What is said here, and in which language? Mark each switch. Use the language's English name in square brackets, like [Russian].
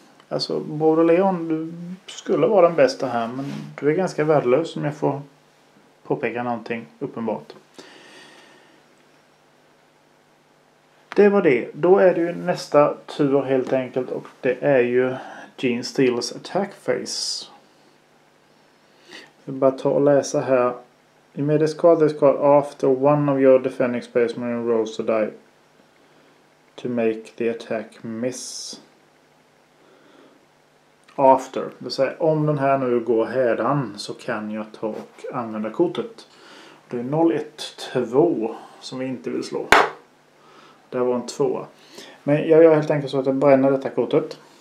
[Swedish] Alltså, Bodo Leon, du skulle vara den bästa här, men du är ganska värdelös om jag får påpeka någonting uppenbart. Det var det. Då är det ju nästa tur helt enkelt och det är ju Gene Steeles attack phase. Jag vill bara ta och läsa här. [English] You may discard this card after one of your defending space marine rolls to die to make the attack miss. [Swedish] After, det vill säga om den här nu går hädan så kan jag ta och använda kortet. Det är 012 som vi inte vill slå. Det var en 2. Men jag gör helt enkelt så att jag bränner detta kortet.